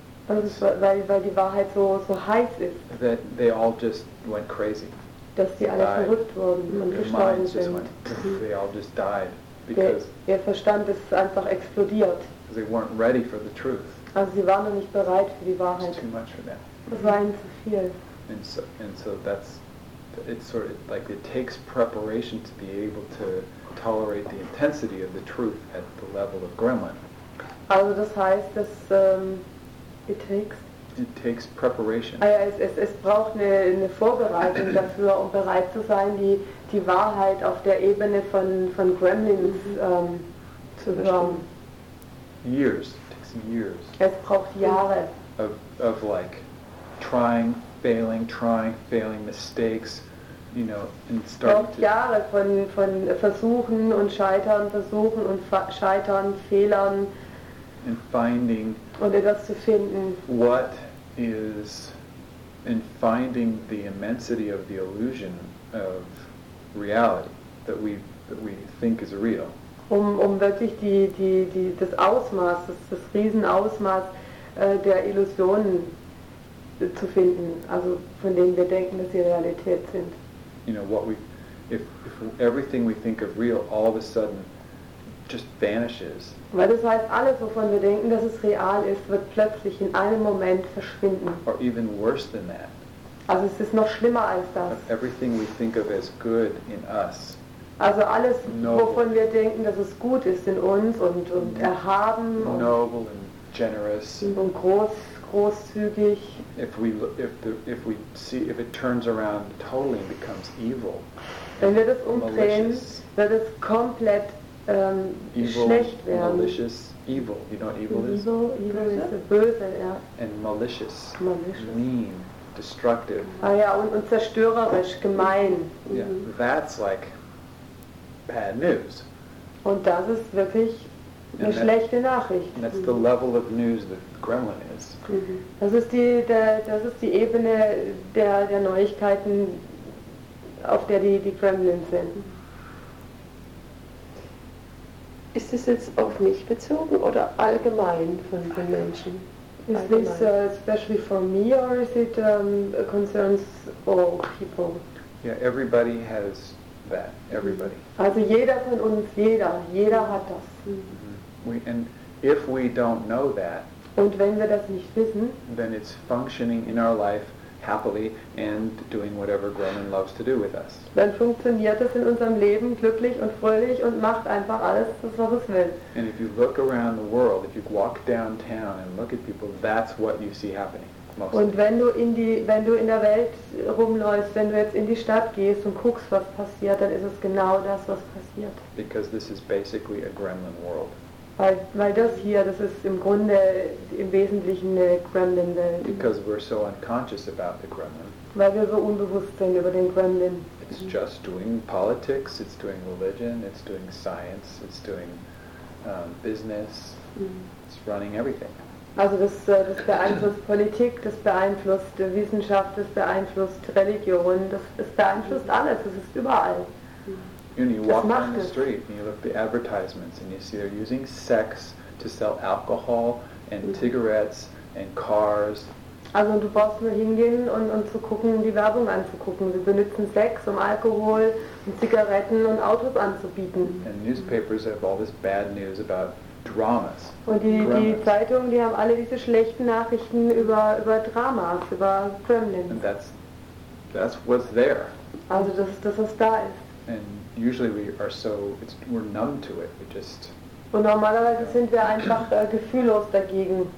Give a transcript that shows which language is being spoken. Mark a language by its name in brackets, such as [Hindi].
[German] Also es war, weil die Wahrheit so heiß ist. [English] That they all just went crazy. [German] Dass sie alle verrückt wurden und gestorben sind. [English] They all just died because [German] ihr Verstand ist einfach explodiert. [English] Because they weren't ready for the truth. [German] Also sie waren noch nicht bereit für die Wahrheit. [English] It's too much for them. [German] Es war ihnen zu viel. [English] And so that's, it's sort of like it takes preparation to be able to tolerate the intensity of the truth at the level of gremlin. [German] Also das heißt, dass [English] it takes preparation. [German] Ah, ja, es braucht eine Vorbereitung dafür, um bereit zu sein, die Wahrheit auf der Ebene von Gremlins zu hören. [English] Years. It takes years. [German] Es braucht Jahre. [English] Of like trying, failing, trying, failing, mistakes, you know, and starting to... [German] Jahre von Versuchen und Scheitern, Versuchen und Scheitern, Fehlern. [English] And finding... [German] Und etwas zu finden. [English] What is... And finding the immensity of the illusion of reality that we think is real. [German] Um wirklich die das Ausmaß, das Riesenausmaß der Illusionen zu finden, also von denen wir denken, dass sie Realität sind. [English] You know, what if everything we think of real all of a sudden just vanishes. [German] Weil das heißt, alles, wovon wir denken, dass es real ist, wird plötzlich in einem Moment verschwinden. [English] Or even worse than that. [German] Also es ist noch schlimmer als das. [English] But everything we think of as good in us. [German] Also alles, wovon wir denken, dass es gut ist in uns und erhaben. [English] Noble and generous. [German] Und groß. Großzügig. [English] If it turns around totally and becomes evil, [German] wenn wir das umdrehen, wird es komplett schlecht werden. [English] Malicious, evil. You know what evil is? Evil is the [German] böse, ja. [English] And malicious. Malicious. Mean, destructive. [German] Ah ja, und zerstörerisch, gemein. [English] Yeah, that's like bad news. [German] Und das ist wirklich eine schlechte Nachricht. [English] That's the level of news that gremlin is. [German] Das ist die Ebene der Neuigkeiten, auf der die Gremlins sind. Ist das jetzt auf mich bezogen oder allgemein von den Menschen? [English] Is this especially for me or is it concerns all people? Yeah, everybody has that. Everybody. [German] Also jeder von uns, jeder hat das. Mm-hmm. [English] And if we don't know that, [German] und wenn wir das nicht wissen, [English] then it's functioning in our life happily and doing whatever gremlin loves to do with us. [German] Dann funktioniert es in unserem Leben glücklich und fröhlich und macht einfach alles, was es will. [English] And if you look around the world, if you walk downtown and look at people, that's what you see happening. Mostly. [German] Und wenn du in der Welt rumläufst, wenn du jetzt in die Stadt gehst und guckst, was passiert, dann ist es genau das, was passiert. [English] Because this is basically a gremlin world. [German] Weil das hier, das ist im Grunde, im Wesentlichen eine Gremlin-Welt. [English] Because we're so unconscious about the Gremlin. [German] Weil wir so unbewusst sind über den Gremlin. [English] It's just doing politics, it's doing religion, it's doing science, it's doing business, it's running everything. [German] Also das beeinflusst Politik, das beeinflusst Wissenschaft, das beeinflusst Religion, das beeinflusst alles, es ist überall. [English] You walk down the street and you look at the advertisements and you see they're using sex to sell alcohol and cigarettes and cars. [German] Also du brauchst nur hingehen und zu gucken, die Werbung anzugucken. Sie benutzen Sex, Alkohol und Zigaretten und Autos anzubieten. [English] And newspapers have all this bad news about dramas. [German] Und die Zeitungen, die haben alle diese schlechten Nachrichten über Dramas, über Gremlins. [English] And that's what's there. [German] Also das was da ist. [English] And usually we're numb to it. We just. [German] Und normalerweise sind wir einfach gefühllos dagegen.